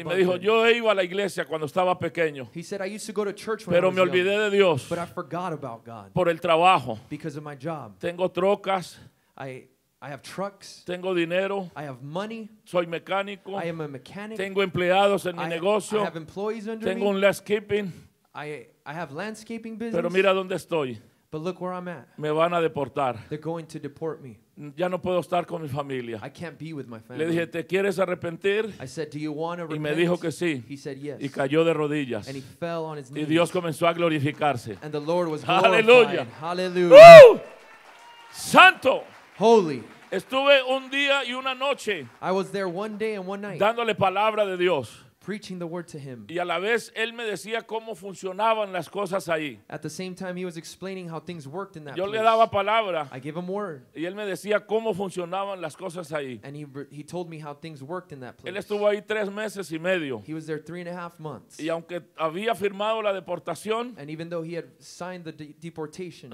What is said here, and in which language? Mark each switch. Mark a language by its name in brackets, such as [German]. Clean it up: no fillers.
[Spanish] y me dijo, yo iba a la iglesia cuando estaba pequeño. [English] He said, I used to go to church when [Spanish] pero [English] I was young. [Spanish] Pero me olvidé de Dios. [English] But I forgot about God. [Spanish] Por el trabajo. [English] Because of my job. [Spanish] Tengo trocas. [English] I have trucks. [Spanish] Tengo dinero. [English] I have money. [Spanish] Soy mecánico. [English] I am a mechanic. [Spanish] Tengo empleados en mi negocio. [English] I have employees under [Spanish] tengo Tengo un landscaping. [English] I have landscaping business. [Spanish] Pero mira dónde estoy. [English] But look where I'm at. [Spanish] Me van a deportar. [English] They're going to deport me. [Spanish] Ya no puedo estar con mi familia. [English] I can't be with my family. [Spanish] Le dije, ¿te quieres arrepentir? [English] I said, do you want to repent? [Spanish] Y me dijo que sí. [English] He said yes. [Spanish] Y cayó de rodillas. [English] And he fell on his knees. [Spanish] Y Dios comenzó a glorificarse. [English] And the Lord was glorified. Hallelujah. Hallelujah. Woo! [Spanish] Santo. [English] Holy. [Spanish] Estuve un día y una noche. [English] I was there one day and one night. [Spanish] Dándole palabra de Dios. [English] preaching the word to him. [Spanish] Y a la vez él me decía cómo funcionaban las cosas ahí. [English] At the same time he was explaining how things worked in that [Spanish] Yo [English] place. [Spanish] Le daba palabra. [English] I gave him word. [Spanish] Y él me decía cómo funcionaban las cosas ahí. [English] And he told me how things worked in that place. [Spanish] Él estuvo ahí 3 meses y medio. [English] He was there 3.5 months. [Spanish] Y aunque había firmado la deportación, [English] and even though he had signed the deportation,